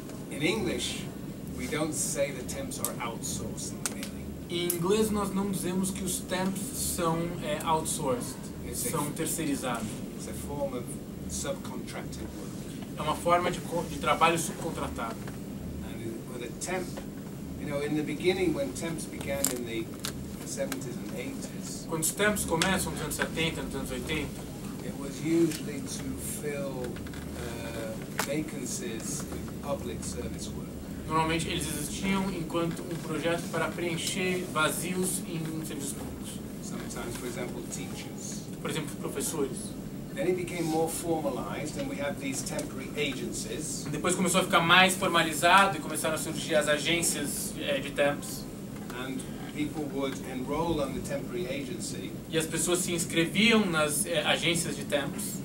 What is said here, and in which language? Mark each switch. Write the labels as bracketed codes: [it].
[en] In English, we don't say the temps are outsourced. [pt] Em inglês, nós não dizemos que os temps são outsourced, são terceirizados. [en] It's a form of subcontracted work. [pt] É uma forma de trabalho subcontratado. [en] And with a temp, you know, in the beginning, when temps began in the 70s and 80s, [pt] quando os temps começam nos anos 70, nos anos 80, [en] it was usually to fill vacancies in public service work. [pt] Normalmente eles existiam enquanto um projeto para preencher vazios em serviços públicos. [en] Sometimes, for example, teachers. [pt] Por exemplo, professores. [en] Then it became more formalized, and we have these temporary agencies. [pt] Depois começou a ficar mais formalizado e começaram a surgir as agências de temps. [en] And people would enroll on the temporary agency. [pt] E as pessoas se inscreviam nas agências de temps.